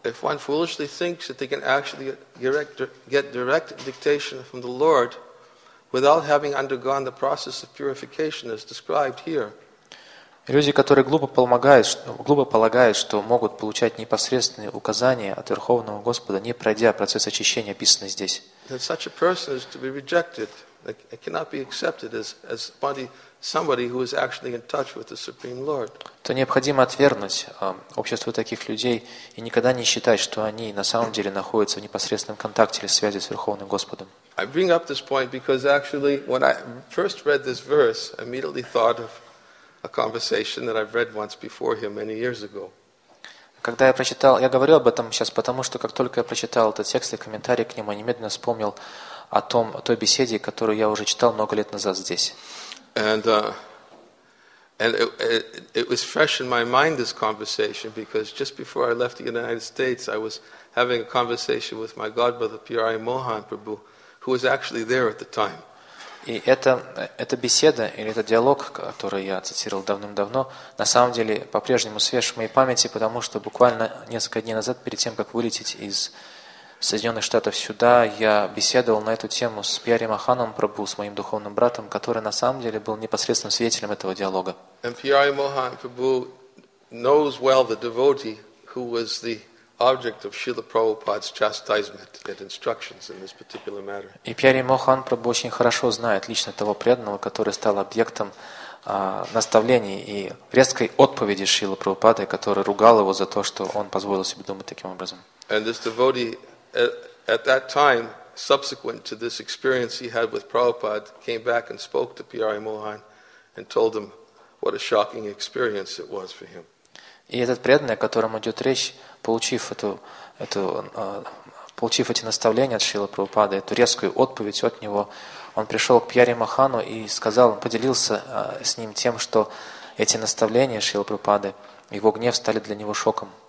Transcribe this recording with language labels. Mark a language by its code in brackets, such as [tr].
[en] If one foolishly thinks that they can actually get direct dictation from the Lord without having undergone the process of purification as described here, [ru] люди, которые глупо полагают, что могут получать непосредственные указания от Верховного Господа, не пройдя процесс очищения, описанный здесь, то необходимо отвергнуть общество таких людей и никогда не считать, что они на самом деле находятся в непосредственном контакте или связи с Верховным Господом. [en] Я bring up this point because actually when I first read this verse, I immediately thought of a conversation that I've read once before here many years ago. [ru] Когда я прочитал, я говорю об этом сейчас, потому что как только я прочитал этот текст и комментарий к нему, я немедленно вспомнил о том, о той беседе, которую я уже читал много лет назад здесь. [en] And it was fresh in my mind, this conversation, because just before I left the United States, I was having a conversation with my godbrother P.R.I. Mohan Prabhu, who was actually there at the time. [ru] И эта беседа или этот диалог, который я цитировал давным-давно, на самом деле по-прежнему свеж в моей памяти, потому что буквально несколько дней назад, перед тем, как вылететь из Соединенных Штатов сюда, я беседовал на эту тему с Пьяри Маханом Прабу, с моим духовным братом, который на самом деле был непосредственным свидетелем этого диалога. [en] And Pyari Mohan Prabhu knows well the devotee who was the object of Srila Prabhupada's chastisement and instructions in this particular matter. [ru] И Пьяри Мохан Прабху очень хорошо знает лично того преданного, который стал объектом наставлений и резкой отповеди Шрилы Прабхупады, который ругал его за то, что он позволил себе думать таким образом. [en] And this devotee at that time, subsequent to this experience he had with Prabhupada, came back and spoke to Pyari Mohan and told him what a shocking experience it was for him. [ru] И этот преданный, о котором идет речь, получив эти наставления от Шрилы Прабхупады, эту резкую отповедь от него, он пришел к Пьяри Махану и сказал, поделился с ним тем, что эти наставления Шрилы Прабхупады, его гнев стали для него шоком.